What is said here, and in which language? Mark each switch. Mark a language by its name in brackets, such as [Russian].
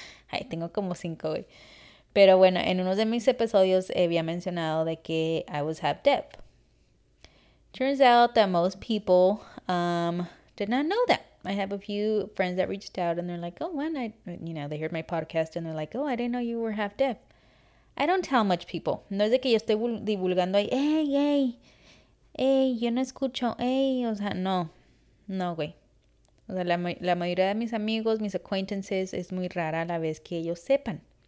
[Spanish] Ay, tengo como 5 hoy. Pero bueno, en uno de mis episodios había mencionado de que [English] I was have dep. Turns out that most people did not know that. I have a few friends that reached out and they're like, oh, when I, you know, they heard my podcast and they're like, oh, I didn't know you were half deaf. I don't tell much people. [Spanish] No es de que yo estoy divulgando ahí, hey, yo no escucho, o sea, no, güey. O sea, la mayoría de mis amigos, mis acquaintances, es muy rara la vez que ellos sepan.